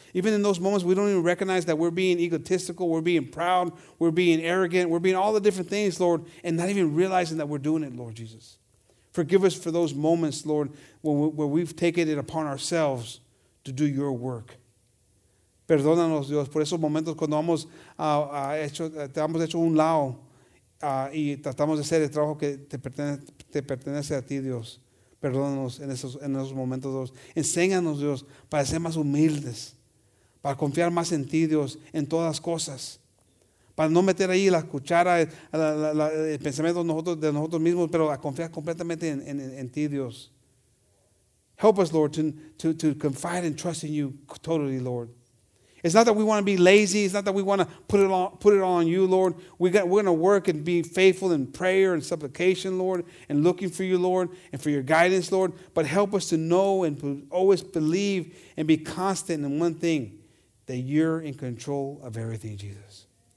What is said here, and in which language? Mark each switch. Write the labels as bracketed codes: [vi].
[en] Even in those moments, we don't even recognize that we're being egotistical, we're being proud, we're being arrogant, we're being all the different things, Lord, and not even realizing that we're doing it, Lord Jesus. Forgive us for those moments, Lord, where we've taken it upon ourselves to do your work. [es] Perdónanos, Dios, por esos momentos cuando te hemos hecho un lado y tratamos de hacer el trabajo que te pertenece a ti, Dios. Perdónanos en esos momentos, Dios. Enséñanos, Dios, para ser más humildes, para confiar más en ti, Dios, en todas las cosas, para no meter ahí la cuchara, el pensamiento de nosotros mismos, pero a confiar completamente en ti, Dios. [en] Help us, Lord, to confide and trust in you totally, Lord. It's not that we want to be lazy. It's not that we want to put it all on you, Lord. We're going to work and be faithful in prayer and supplication, Lord, and looking for you, Lord, and for your guidance, Lord. But help us to know and to always believe and be constant in one thing, that you're in control of everything, Jesus.